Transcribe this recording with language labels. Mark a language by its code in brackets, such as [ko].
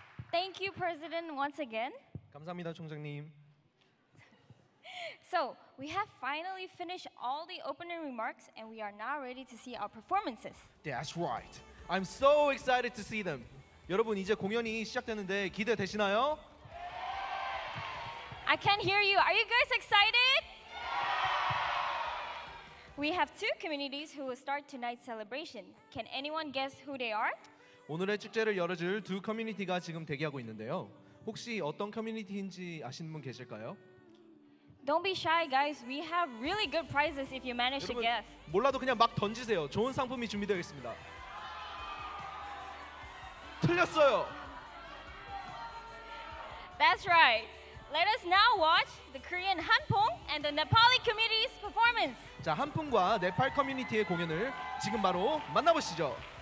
[en] Thank you, President, once again. [ko] 감사합니다, 총장님. [en] So, we have finally finished all the opening remarks and we are now ready to see our performances. That's right. I'm so excited to see them. [ko] 여러분, 이제 공연이 시작되는데 기대되시나요? [en] I can't hear you. Are you guys excited? We have two communities who will start tonight's celebration. Can anyone guess who they are? [ko] 오늘의 축제를 열어줄 두 커뮤니티가 지금 대기하고 있는데요. 혹시 어떤 커뮤니티인지 아시는 분 계실까요? [en] Don't be shy, guys. We have really good prizes if you manage [ko] 여러분, [en] to guess. [ko] 몰라도 그냥 막 던지세요. 좋은 상품이 준비되어 있습니다. 틀렸어요. [en] That's right. Let us now watch the Korean Hanpoong and the Nepali community's performance. [ko] 자, 한풍과 네팔 커뮤니티의 공연을 지금 바로 만나보시죠.